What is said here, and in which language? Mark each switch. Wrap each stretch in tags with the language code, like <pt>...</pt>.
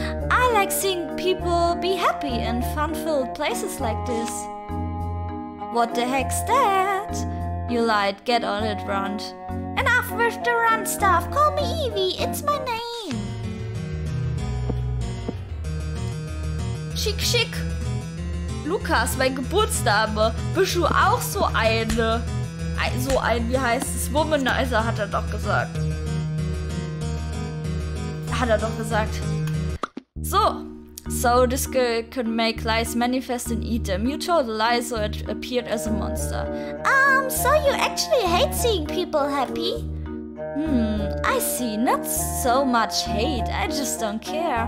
<en>I like seeing people be happy in fun-filled places like this. What the heck's that? You lied, get on it, Rond. Enough with the Rond stuff, call me Evie, it's my name.</en> <de>Schick, schick. Lukas, mein Geburtsname, bist du auch so eine? So ein, wie heißt es, Womanizer, hat er doch gesagt. Hat er doch gesagt.</de> <en>So, this girl could make lies manifest and eat them. You told a lie, so it appeared as a monster. So you actually hate seeing people happy? I see. Not so much hate. I just don't care.</en>